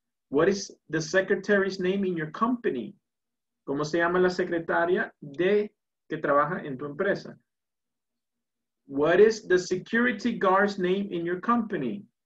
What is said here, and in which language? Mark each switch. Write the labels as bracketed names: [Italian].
[English] What is the secretary's name in your company? [Spanish] ¿Cómo se llama la secretaria de que trabaja en tu empresa? [English] What is the security guard's name in your company?